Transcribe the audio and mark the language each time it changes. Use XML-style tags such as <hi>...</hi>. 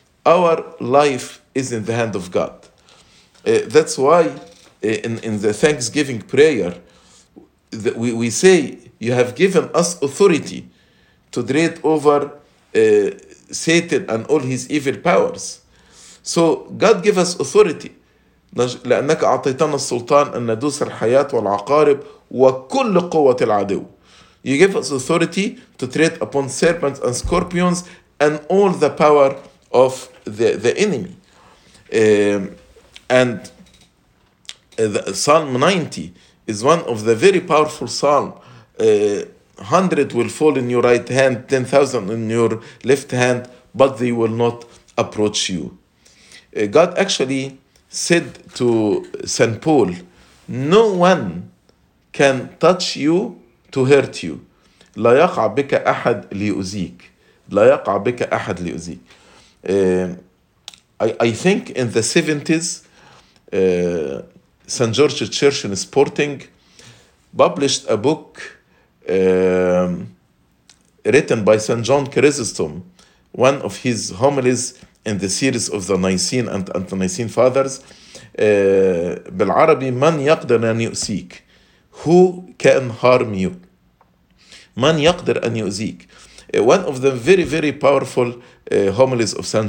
<en>Our life is in the hand of God. That's why in the Thanksgiving prayer, that we say, you have given us authority to dread over Satan and all his evil powers. So God give us authority.</en> <ar>لأنك أعطيتنا السلطان أن ندوس الحياة والعقارب وكل قوة العدو.</ar> <en>You give us authority to tread upon serpents and scorpions and all the power of the enemy. And Psalm 90 is one of the very powerful psalm. 100 will fall in your right hand, 10,000 in your left hand, but they will not approach you. God actually said to St. Paul, no one can touch you to hurt you.</en> <ar>لا يقع بك أحد ليؤذيك. لا يقع بك أحد ليؤذيك.</ar> <en>I think in the 70s, St. George Church in Sporting published a book written by St. John Chrysostom, one of his homilies in the series of the Nicene and Anti-Nicene Fathers.</en> <ar>بالعربي من يقدر أن يؤذيك.</ar> <en>Who can harm you?</en> <ar>من يقدر أن يؤذيك.</ar> <en>One of the very, very powerful homilies of St.</en>